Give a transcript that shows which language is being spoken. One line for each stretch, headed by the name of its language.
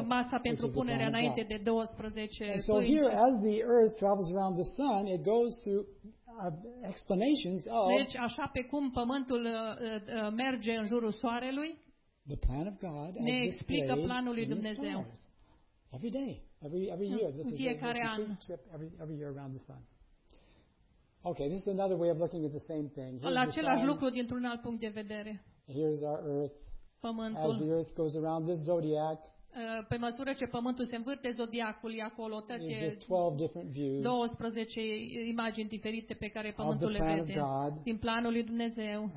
Romanian: Masa pentru punerea înainte de 12.
English: And so here, as the earth travels around the sun, it goes through explanations of
Romanian: deci, așa pe cum pământul merge în jurul soarelui,
English: the plan of God
Romanian: ne explică planul lui Dumnezeu.
English: Every day, every year, this is a trip every year around the sun. Okay, this is another way of looking at the same thing. Here's
Romanian: la același lucru dintr-un alt punct de vedere.
English: Here's our earth.
Romanian: Pământul.
English: As the earth goes around this zodiac.
Romanian: Pe măsură ce pământul se învârte, zodiacul e acolo, tăte.
English: Just 12 different views.
Romanian: 12 imagini diferite pe care pământul le vede.
English: Of the plan of God.
Romanian: Din planul lui Dumnezeu.